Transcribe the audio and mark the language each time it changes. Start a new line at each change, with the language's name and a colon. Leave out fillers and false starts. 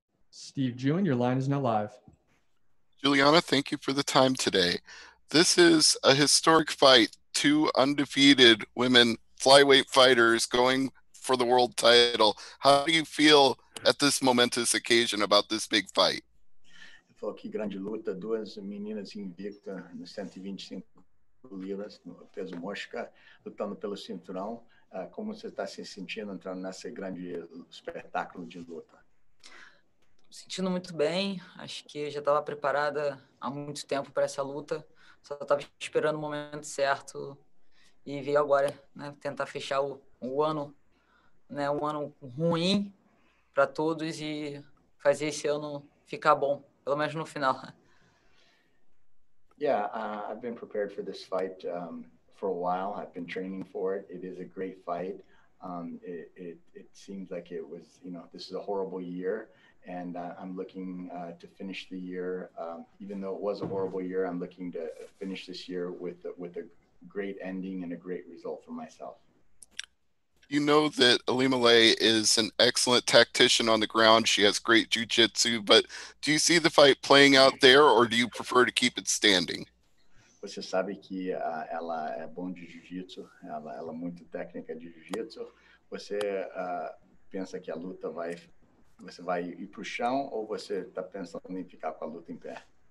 English: Steve June, your line is now live. Juliana, thank you for the time today. This is a historic fight. Two undefeated women flyweight fighters going for the world title. How do you feel at this momentous occasion about this big fight?
Portuguese: Falou que grande luta, duas meninas invictas nos 125 libras, no peso mosca, lutando pelo cinturão. Como você está se sentindo entrando nesse grande espetáculo de luta? Sentindo muito bem, acho que já estava preparada há muito tempo para essa luta, só estava esperando o momento certo e veio agora, né, tentar fechar o ano, né, um ano ruim para todos e fazer esse ano ficar bom, pelo menos no final.
English: Yeah, I've been prepared for this fight for a while. I've been training for it. It is a great fight. It seems like it was, you know, this is a horrible year, and I'm looking to finish the year. Even though it was a horrible year, I'm looking to finish this year with a great ending and a great result for myself. You know that Alimaleh is an excellent tactician on the ground. She has great jiu-jitsu, but do you see the fight playing out there, or do you prefer to keep it standing?
Portuguese: Você sabe que ela é bom de jiu-jitsu, ela é muito técnica de jiu-jitsu. Você pensa que a luta vai, você vai ir para o chão ou você está pensando em ficar com a luta em pé?